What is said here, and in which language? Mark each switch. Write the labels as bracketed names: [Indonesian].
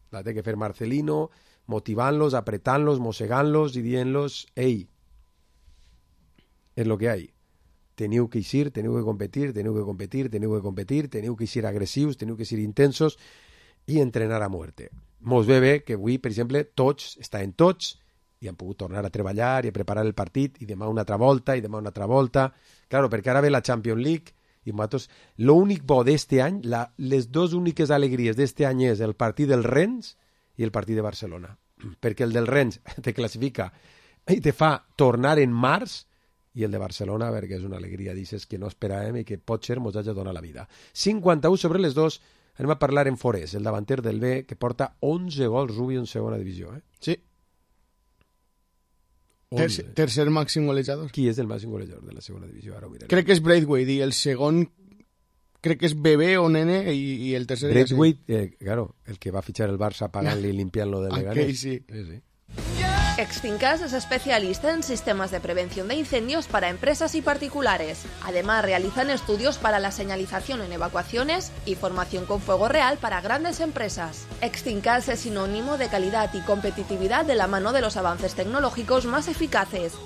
[Spanish] La tiene que hacer Marcelino, motivándolos, apretándolos, mosegándolos y diéndolos, ¡ey! Es lo que hay. [Catalan] Teniu que ir, teniu que competir, teniu que ir agresivos, teniu que ir intensos [Spanish] y entrenar a muerte. [Catalan] Mos ve bé que avui, per exemple, tots està en tots i han pogut tornar a treballar i a preparar el partit i demà una altra volta i demà una altra volta. Claro, perquè ara ve la Champions League. I nosaltres, l'únic bo d'este any, les dues úniques alegries d'este any és el partit del Rennes i el partit de Barcelona. Perquè el del Rennes te classifica i te fa tornar en març, i el de Barcelona, perquè és una alegria, dices que no esperàvem i que potser mos hagi donat la vida. 51 sobre les dues, anem a parlar en Forés, el davanter del B, que porta 11 gols Rubio en segona divisió. Sí. Tercer màxim golejador. Qui és el màxim golejador de la segona divisió? Ara crec que és Braithwaite, i el segon crec que és bebé o nene, i el tercer... Braithwaite, claro, el que va fitxar el Barça pagant-li i limpiant-lo de Leganés. Okay, sí. [Spanish] Exfincas es especialista en sistemas de prevención de incendios para empresas y particulares. Además, realizan estudios para la señalización en evacuaciones y formación con fuego real para grandes empresas. Exfincas es sinónimo de calidad y competitividad de la mano de los avances tecnológicos más eficaces.